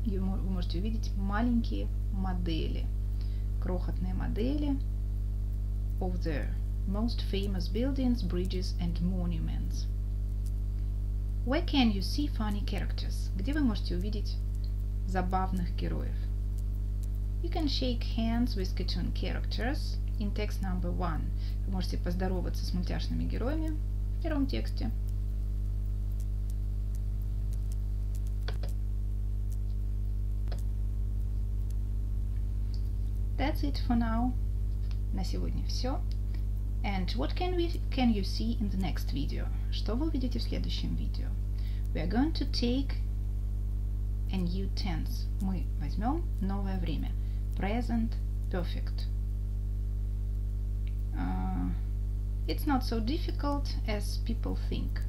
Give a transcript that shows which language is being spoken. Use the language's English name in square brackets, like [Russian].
[Russian] Вы можете увидеть маленькие модели. Крохотные модели [English] of the most famous buildings, bridges and monuments. Where can you see funny characters? [Russian] Где вы можете увидеть забавных героев? [English] You can shake hands with cartoon characters in text number one. [Russian] Вы можете поздороваться с мультяшными героями в первом тексте. [English] That's it for now. [Russian] На сегодня все. [English] And what can you see in the next video? [Russian] Что вы увидите в следующем видео? [English] We are going to take a new tense. [Russian] Мы возьмем новое время. Present perfect. [English] It's not so difficult as people think.